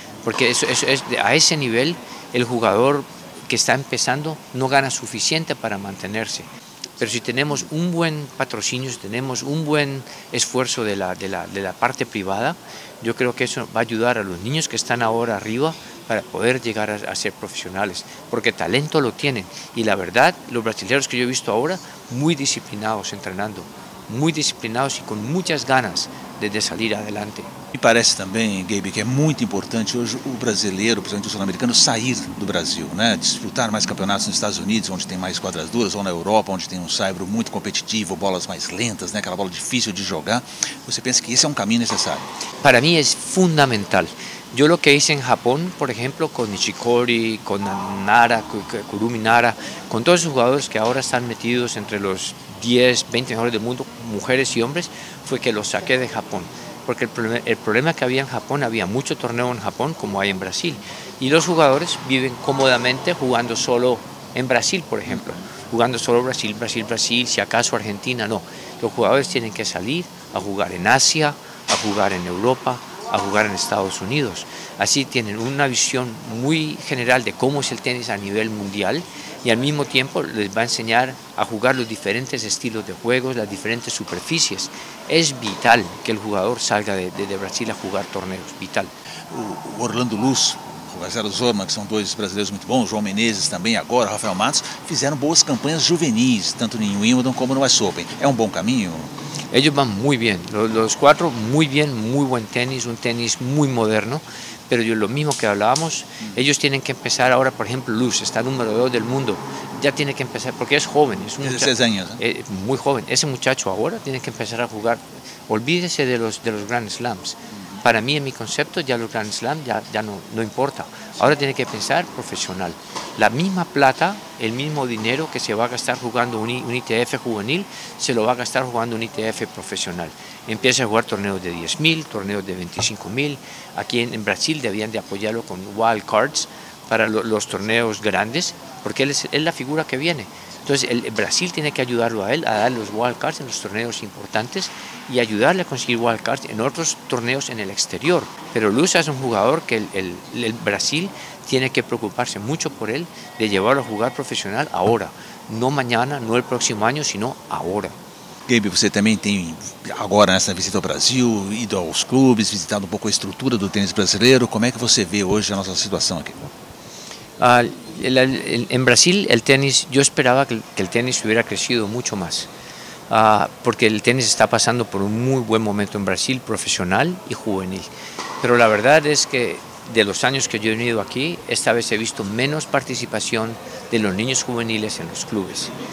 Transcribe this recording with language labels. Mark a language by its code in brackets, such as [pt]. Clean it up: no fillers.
[es] Porque eso es, a ese nivel el jugador que está empezando no gana suficiente para mantenerse, pero si tenemos un buen patrocinio, si tenemos un buen esfuerzo de la parte privada, yo creo que eso va a ayudar a los niños que están ahora arriba para poder llegar a ser profesionales, porque talento lo tienen y la verdad los brasileños que yo he visto ahora muy disciplinados entrenando, muy disciplinados y con muchas ganas de salir adelante. [pt] Me parece também, Gabe, que é muito importante hoje o brasileiro, principalmente o sul-americano, sair do Brasil, né? Disputar mais campeonatos nos Estados Unidos, onde tem mais quadras duras, ou na Europa, onde tem um saibro muito competitivo, bolas mais lentas, né? Aquela bola difícil de jogar. Você pensa que esse é um caminho necessário? Para mim é fundamental. Eu o que fiz em Japão, por exemplo, com Nishikori, com Nara, Kurumi Nara, com todos os jogadores que agora estão metidos entre os 10, 20 melhores do mundo, mulheres e homens, foi que os saquei de Japão. [es] Porque el problema que había en Japón, había mucho torneo en Japón como hay en Brasil. Y los jugadores viven cómodamente jugando solo en Brasil, por ejemplo. Jugando solo Brasil, Brasil, Brasil, si acaso Argentina, no. Los jugadores tienen que salir a jugar en Asia, a jugar en Europa, a jugar en Estados Unidos. Así tienen una visión muy general de cómo es el tenis a nivel mundial. Y al mismo tiempo les va a enseñar a jugar los diferentes estilos de juegos, las diferentes superficies. Es vital que el jugador salga de Brasil a jugar torneos, vital. [pt] O Orlando Luz, o Rogério Zorman, que são dois brasileiros muito bons, João Menezes também agora, Rafael Matos, fizeram boas campanhas juvenis, tanto em Wimbledon como no US Open. É um bom caminho? [es] Ellos van muy bien, los 4 muy bien, muy buen tenis, un tenis muy moderno. Pero yo, lo mismo que hablábamos, ellos tienen que empezar ahora, por ejemplo, Luz, está número 2 del mundo, ya tiene que empezar, porque es joven, es un 16 años, ¿eh? Muy joven, ese muchacho ahora tiene que empezar a jugar, olvídese de los Grand Slams, para mí, en mi concepto, ya los Grand Slams ya no importa, ahora tiene que pensar profesional, la misma plata, el mismo dinero que se va a gastar jugando un ITF juvenil, se lo va a gastar jugando un ITF profesional. Empieza a jugar torneos de 10.000, torneos de 25.000. Aquí en Brasil debían de apoyarlo con wild cards para los torneos grandes, porque él es la figura que viene. Entonces Brasil tiene que ayudarlo a él a dar los wild cards en los torneos importantes y ayudarle a conseguir wild cards en otros torneos en el exterior. Pero Luz es un jugador que el Brasil tiene que preocuparse mucho por él, de llevarlo a jugar profesional ahora, no mañana, no el próximo año, sino ahora. [pt] Gabe, você também tem agora nessa visita ao Brasil, ido aos clubes, visitado um pouco a estrutura do tênis brasileiro. Como é que você vê hoje a nossa situação aqui? [es] En Brasil, el tenis, yo esperaba que el tenis hubiera crecido mucho más, porque el tenis está pasando por un muy buen momento en Brasil, profesional y juvenil. Pero la verdad es que de los años que yo he venido aquí, esta vez he visto menos participación de los niños juveniles en los clubes.